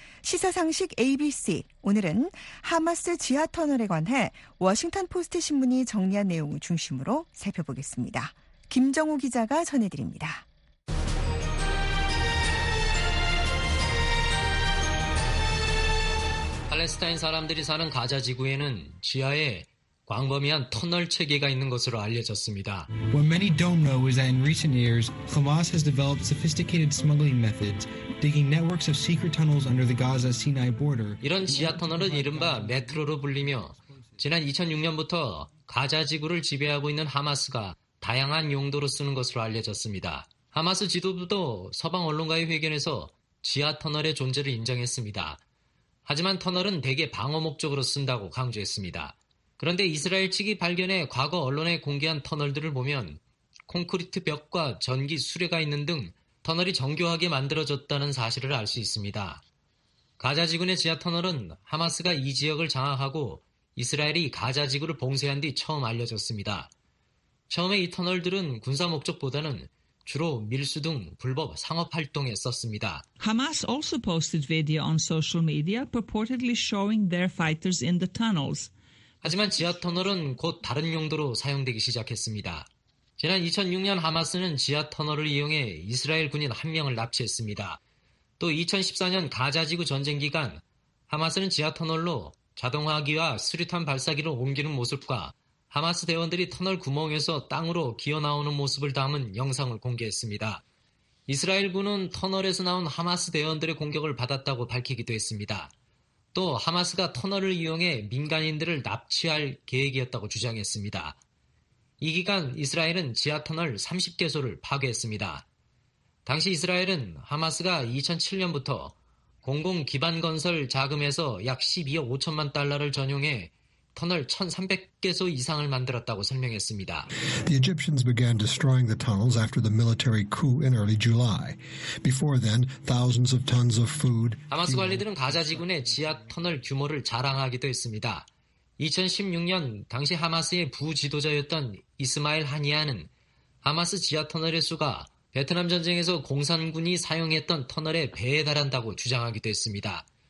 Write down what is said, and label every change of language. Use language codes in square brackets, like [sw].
[ko] 시사상식 ABC, 오늘은 하마스 지하 터널에 관해 워싱턴 포스트 신문이 정리한 내용을 중심으로 살펴보겠습니다. 김정우 기자가 전해드립니다. 팔레스타인 사람들이 사는 가자 지구에는 지하에 광범위한 터널 체계가 있는 것으로 알려졌습니다. [en] What many don't know is that in recent years, Hamas has developed sophisticated smuggling methods, digging networks of secret tunnels under the Gaza-Sinai border. [ko] 이런 지하 터널은 이른바 메트로로 불리며, 지난 2006년부터 가자 지구를 지배하고 있는 하마스가 다양한 용도로 쓰는 것으로 알려졌습니다. 하마스 지도부도 서방 언론과의 회견에서 지하 터널의 존재를 인정했습니다. 하지만 터널은 대개 방어 목적으로 쓴다고 강조했습니다. 그런데 이스라엘 측이 발견해 과거 언론에 공개한 터널들을 보면 콘크리트 벽과 전기 수레가 있는 등 터널이 정교하게 만들어졌다는 사실을 알 수 있습니다. 가자지구의 지하 터널은 하마스가 이 지역을 장악하고 이스라엘이 가자지구를 봉쇄한 뒤 처음 알려졌습니다. 처음에 이 터널들은 군사 목적보다는 주로 밀수 등 불법 상업 활동에 썼습니다. [en] Hamas also posted video on social media purportedly showing their fighters in the tunnels. [ko] 하지만 지하 터널은 곧 다른 용도로 사용되기 시작했습니다. 지난 2006년 하마스는 지하 터널을 이용해 이스라엘 군인 한 명을 납치했습니다. 또 2014년 가자지구 전쟁 기간 하마스는 지하 터널로 자동화기와 수류탄 발사기를 옮기는 모습과 하마스 대원들이 터널 구멍에서 땅으로 기어나오는 모습을 담은 영상을 공개했습니다. 이스라엘군은 터널에서 나온 하마스 대원들의 공격을 받았다고 밝히기도 했습니다. 또 하마스가 터널을 이용해 민간인들을 납치할 계획이었다고 주장했습니다. 이 기간 이스라엘은 지하 터널 30개소를 파괴했습니다. 당시 이스라엘은 하마스가 2007년부터 공공 기반 건설 자금에서 약 12억 5천만 달러를 전용해 터널 1,300개소 이상을 만들었다고 설명했습니다. [en] The Egyptians began destroying the tunnels after the military coup in early July. Before then, thousands of tons of food. [ko] 하마스 관리들은 가자 지구의 지하 터널 규모를 자랑하기도 했습니다. 2016년 당시 하마스의 부 지도자였던 이스마일 하니아는 하마스 지하 터널의 수가 베트남 전쟁에서 공산군이 사용했던 터널의 배에 달한다고 주장하기도 했습니다.